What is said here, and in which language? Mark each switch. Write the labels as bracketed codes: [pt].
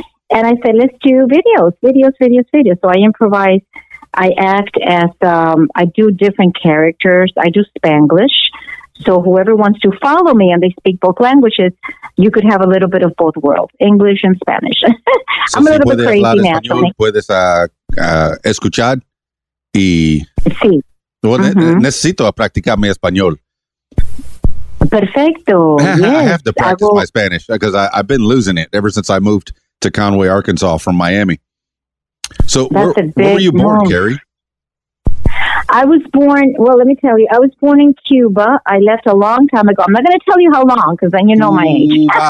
[en] And I said, let's do videos. So I improvise. I act as, I do different characters. I do Spanglish. So whoever wants to follow me and they speak both languages, you could have a little bit of both worlds, English and Spanish. So I'm a little bit crazy now. [es] Español, puedes escuchar y... Sí. Well, necesito practicar mi español. [en] Perfecto. Yes. I have to practice my Spanish because I've been losing it ever since I moved to Conway, Arkansas from Miami. So where were you born, Kari? I was born, well, let me tell you, I was born in Cuba. I left a long time ago. I'm not going to tell you how long, because then you know my age.